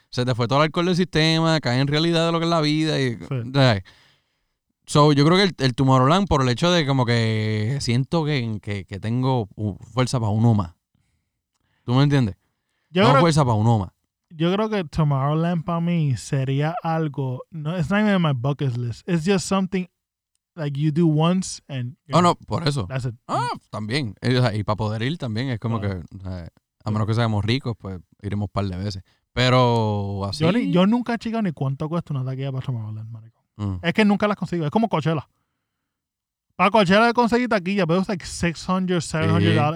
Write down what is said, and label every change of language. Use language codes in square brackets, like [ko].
[es] Se te fue todo el alcohol del sistema, cae en realidad de lo que es la vida. Y, sí. So, yo creo que el Tomorrowland, por el hecho de como que siento que tengo fuerza para uno más. ¿Tú me entiendes? Yo creo que Tomorrowland para mí sería algo. [en] No, it's not even in my bucket list. It's just something like you do once and. [es] Por eso. [en] That's it. [es] También. Y para poder ir también es como a menos que seamos ricos, pues iremos un par de veces. Pero así. Yo nunca he checado ni cuánto cuesta una taquilla para Tomorrowland, marico. Es que nunca las consigo. Es como Coachella. Para Coachella he conseguido taquilla, pero es like $600, $700. Sí.